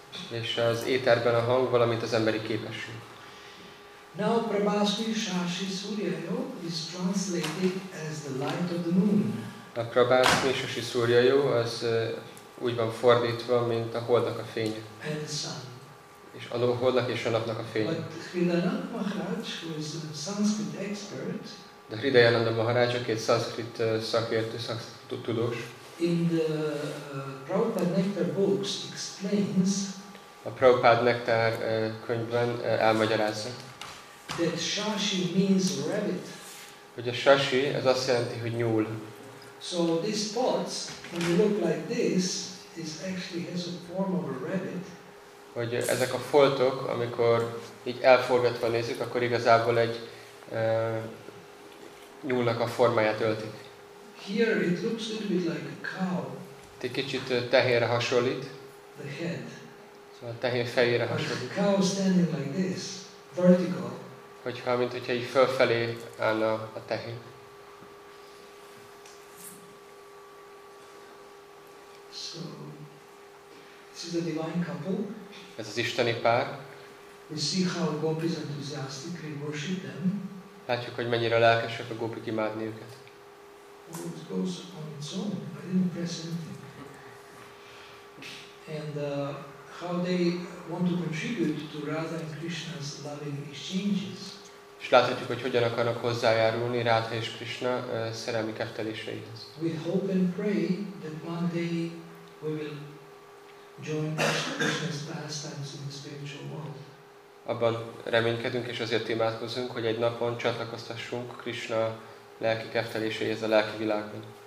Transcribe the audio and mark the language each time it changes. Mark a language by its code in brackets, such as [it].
[hu] És az éterben a hang, valamint az emberi képesség. [en] Now Prabhasmi Shashi Suryayo is translated as the light of the moon. [hu] A Prabhasmi Shashi Suryayo az úgy van fordítva, mint a holdnak a fénye. [en] And the sun. [hu] És a holdnak és a napnak a fénye. [en] But Hridayananda Maharaj, who is a Sanskrit expert, [hu] de Hridayananda Maharaj, aki egy szanszkrit szakértő, szanszkrit tudós. [en] In the Prabhupada Nectar books explains. [hu] A Prabhupada Nectar könyvben elmagyarázza. [en] That Shashi means rabbit. [hu] Hogy a Shashi, ez azt jelenti, hogy nyúl. [en] So these spots, when you look like this, is actually has a form of a rabbit. [hu] hogy ezek a foltok, amikor így elforgatva nézzük, akkor igazából egy nyúlnak a formáját öltik. [en] Here it looks a little bit like a cow. [hu] Itt egy kicsit tehénre hasonlít. [en] The head. [hu] Szóval a tehén fejére hasonlít. [en] But a cow standing like this, vertical. [hu] Hogyha, mint hogyha így fölfelé állna a tehén. [en] So, this is a divine couple. [hu] Ez az isteni pár. [en] We see how gopis enthusiastically worship them. [hu] Látjuk, hogy mennyire lelkesek a gopik imádni őket. [en] It goes on its own. I didn't press anything. And how they want to contribute to Radha and Krishna's loving exchanges. [hu] És láthatjuk, hogy hogyan akarnak hozzájárulni Radha és Krishna szerelmi kefteléseihez. [en] We hope and pray that one day we will join Krishna's pastimes in the spiritual world. [hu] Abban reménykedünk és azért imádkozunk, hogy egy napon csatlakoztassunk Krishna lelki kefteléséhez a lelki világban.